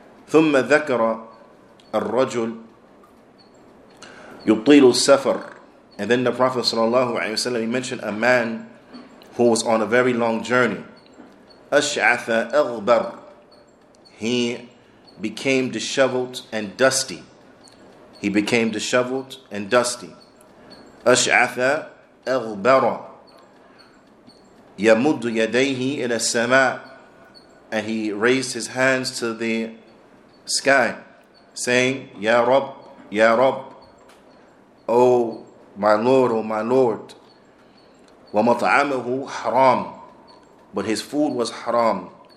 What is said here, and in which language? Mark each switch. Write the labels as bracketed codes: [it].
[ar] ثُمَّ ذَكَرَ الرَّجُلُ يُطِيلُ السَّفَرُ. [en] And then the Prophet sallallahu alayhi wa sallam, he mentioned a man who was on a very long journey. [ar] أَشْعَثَ أَغْبَرُ, [en] he became disheveled and dusty. He became disheveled and dusty. [ar] أشعث أغبر يمد يديه إلى السماء, [en] and he raised his hands to the sky, saying, [ar] Ya Rabb, Ya Rabb, [en] O my Lord, O my Lord. [ar] وَمَطْعَمَهُ حَرَامٌ, [en] but his food was haram.